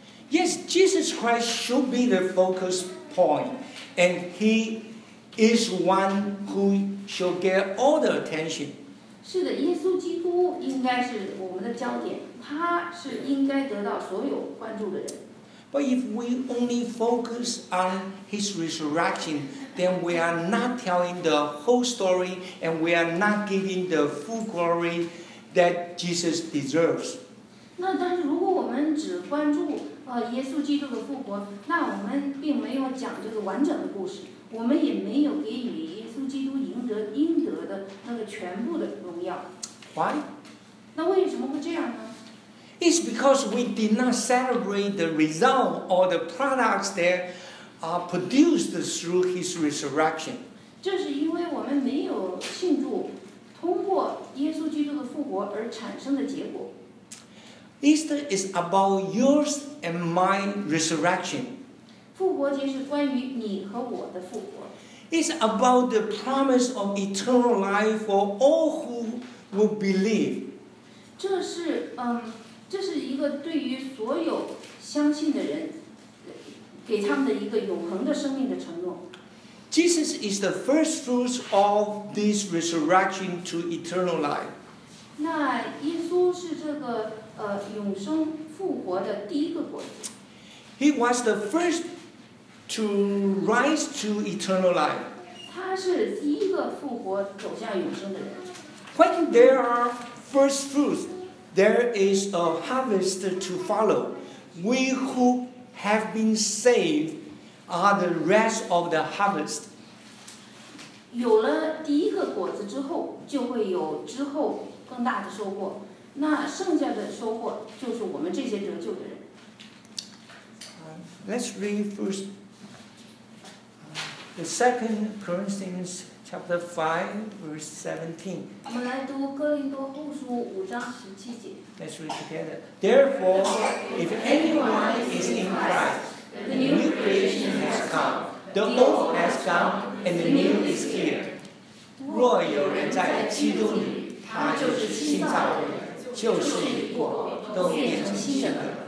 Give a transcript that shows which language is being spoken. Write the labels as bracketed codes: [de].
[en] Yes, Jesus Christ should be the focus point, and he is one who should get all the attention. [zh] 是的，耶稣基督应该是我们的焦点，他是应该得到所有关注的人。 [en] But if we only focus on his resurrection, then we are not telling the whole story, and we are not giving the full glory that Jesus deserves. [zh] 那但是如果我们只关注耶稣基督的复活，那我们并没有讲这个完整的故事，我们也没有给予耶稣基督应得的那个全部的荣耀。 [en] Why? [zh] 那为什么会这样呢？ [en] It's because we did not celebrate the result or the products that are produced through his resurrection. [zh] 这是因为我们没有庆祝通过耶稣基督的复活而产生的结果。 [en] Easter is about yours and my resurrection. [zh] 复活节是关于你和我的复活。 [en] It's about the promise of eternal life for all who will believe. [zh] 这是一个对于所有相信的人，给他们的一个永恒的生命的承诺。 [en] Jesus is the first fruits of this resurrection to eternal life. [zh] 那耶稣是这个永生复活的第一个果子。 [en] He was the first to rise to eternal life. [zh] 他是第一个复活走向永生的人。 [en] When there are first fruits, there is a harvest to follow. We who have been saved are the rest of the harvest. [zh] 有了第一个果子之后，就会有之后更大的收获。那剩下的收获就是我们这些得救的人。 [en] Let's read first the Second Corinthians chapter 5:17. [zh] 我们来读哥林多后书五章十七节。 [en] Let's read together. Therefore, if anyone is in Christ, the new creation has come. The old has come, and the new is here. [zh] 若有人在基督里，他就是新造的人。旧事已过，都变成新的了。